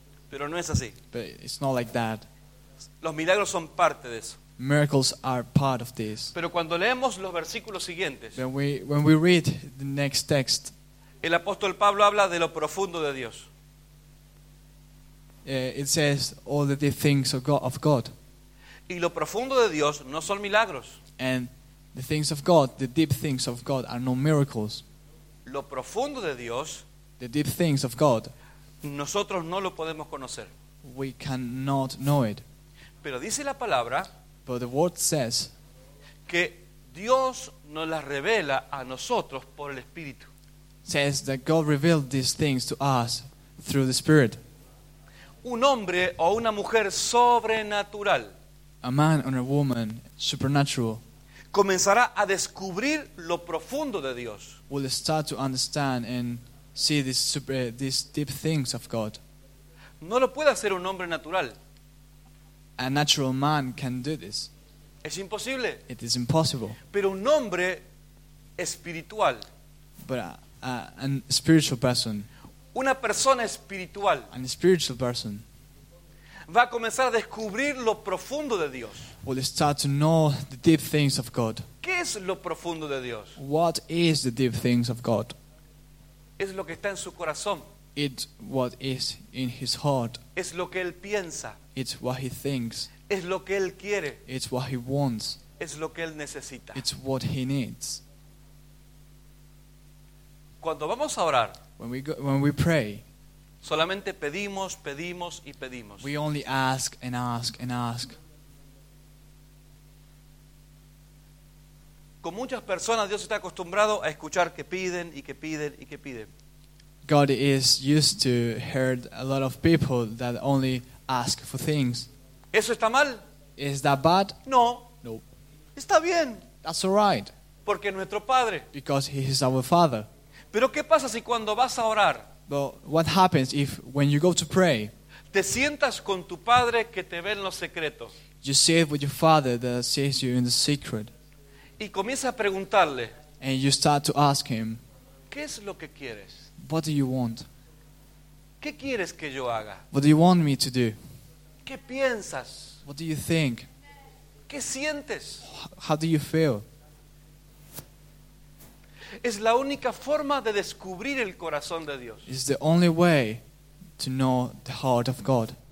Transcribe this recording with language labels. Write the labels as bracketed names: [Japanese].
[Spanish] Pero no es así. [English] But it's not like that. [Spanish] Los milagros son parte de eso. [English] Miracles are part of this. [Spanish] Pero cuando leemos los versículos siguientes, [English] when we read the next text, [Spanish] el apóstol Pablo habla de lo profundo de Dios. [English] It says all the deep things of God. [Spanish] Y lo profundo de Dios no son milagros. [English] And the things of God, the deep things of God, are no miracles. [Spanish] Lo profundo de Dios, [English] the deep things of God, [Spanish] nosotros no lo podemos conocer. [English] We cannot know it. [Spanish] Pero dice la palabra, [English] but the word says, [Spanish] que Dios nos las revela a nosotros por el Espíritu. [English] Says that God revealed these things to us through the Spirit. [Spanish] Un hombre o una mujer sobrenatural. [English] A man and a woman, supernatural, [Spanish] comenzará a descubrir lo profundo de Dios. [English] Will start to understand and see these deep things of God. [Spanish] No lo puede hacer un hombre natural. [English] A natural man can do this. [Spanish] Es imposible. [English] It is impossible. [Spanish] Pero un hombre espiritual. [English] But a spiritual person. [Spanish] Una persona espiritual. [English] A spiritual person. [Spanish] Va a comenzar a descubrir lo profundo de Dios. [English] Will start to know the deep things of God. [Spanish] ¿Qué es lo profundo de Dios? [English] What is the deep things of God? [Spanish] Es lo que está en su corazón. [English] It's what is in his heart. [Spanish] Es lo que él piensa. [English] It's what he thinks. [Spanish] Es lo que él quiere. [English] It's what he wants. [Spanish] Es lo que él necesita. [English] It's what he needs. [Spanish] Cuando vamos a orar, [English] when we pray. [Spanish] Solamente pedimos, pedimos y pedimos. [English] We only ask and ask and ask. [Spanish] Con muchas personas Dios está acostumbrado a escuchar que piden y que piden y que piden. [English] God is used to hear a lot of people that only ask for things. [Spanish] ¿Eso está mal? [English] Is that bad? [Spanish] No. [English] No. [Spanish] Está bien. [English] That's all right. [Spanish] Porque es nuestro Padre. [English] Because he is our Father. [Spanish] Pero ¿qué pasa si cuando vas a orar? [English] But what happens if when you go to pray, [Spanish] te sientas con tu padre que te ve en los secretos, [English] you sit with your father that sees you in the secret, [Spanish] y comienza a preguntarle, [English] and you start to ask him, [Spanish] ¿qué es lo que quieres? [English] What do you want? [Spanish] ¿Qué quieres que yo haga? [English] What do you want me to do? [Spanish] ¿Qué piensas? [English] What do you think? [Spanish] ¿Qué sientes? [English] How do you feel? [Spanish] Es la única forma de descubrir el corazón de Dios. [English] It's the only way to know the heart of God.